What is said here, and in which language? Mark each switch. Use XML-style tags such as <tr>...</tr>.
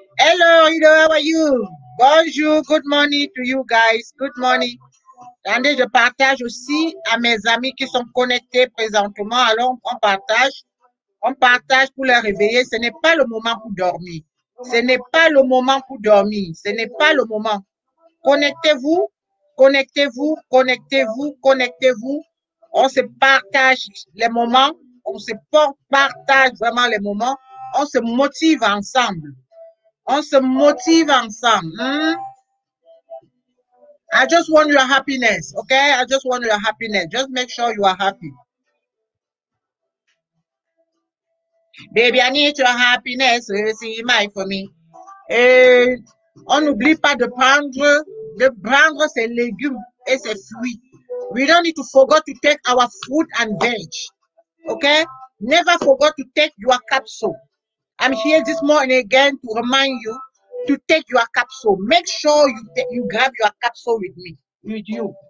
<en>Hello, how are you? Bonjour, good morning to you guys. Good morning.</en> <fr>Attendez, je partage aussi à mes amis qui sont connectés présentement. Alors, on partage. On partage pour les réveiller. Ce n'est pas le moment pour dormir. Ce n'est pas le moment pour dormir. Ce n'est pas le moment. Connectez-vous. Connectez-vous. Connectez-vous. Connectez-vous. On se partage les moments. On se partage vraiment les moments. On se motive ensemble. On se motive ensemble. Hmm?</fr> <en>I just want your happiness, okay? I just want your happiness. Just make sure you are happy. Baby, I need your happiness. Receive mine for me.</en> <fr>Et on n'oublie pas de prendre, ses légumes et ses fruits.</fr> <en>We don't need to forget to take our fruit and veg, okay? Never forget to take your capsule. I'm here this morning again to remind you to take your capsule. Make sure you grab your capsule with me, with you.</en>